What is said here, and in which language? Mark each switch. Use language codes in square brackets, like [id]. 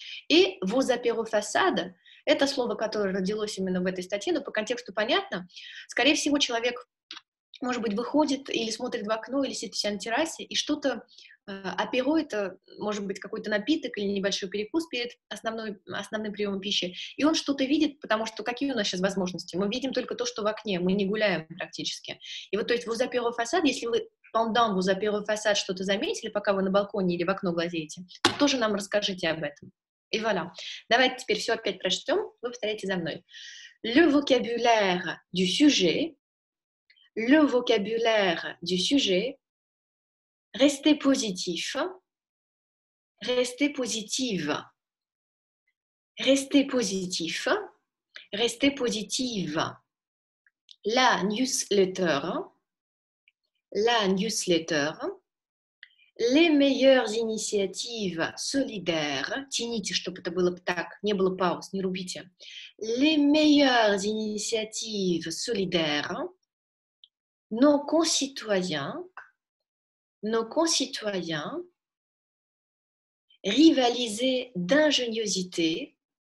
[ru] И [fr] vos apéros façade, [ru] это слово, которое родилось именно в этой статье, но по контексту понятно, скорее всего, человек, может быть, выходит или смотрит в окно, или сидит на террасе, и что-то, аперо, это может быть какой-то напиток или небольшой перекус перед основным приемом пищи, и он что-то видит, потому что какие у нас сейчас возможности? Мы видим только то, что в окне, мы не гуляем практически. И вот, то есть, [fr] vos apéros façade, [ru] если вы [fr] pendant vos apéros façade [ru] что-то заметили, пока вы на балконе или в окно глазеете, то тоже нам расскажите об этом. И [fr] voilà. [ru] Давайте теперь все опять прочтем. Вы повторяете за мной. [fr] Le vocabulaire du sujet. Le vocabulaire du sujet. Restez positif. Restez positive. Restez positif. Restez positive. La newsletter. La newsletter. Les meilleures initiatives solidaires. [ru] Тяните, чтобы это было так, не было пауз, не рубите. [fr] Les meilleures initiatives solidaires. Nos concitoyens. Nos concitoyens. Rivaliser d'ingéniosité.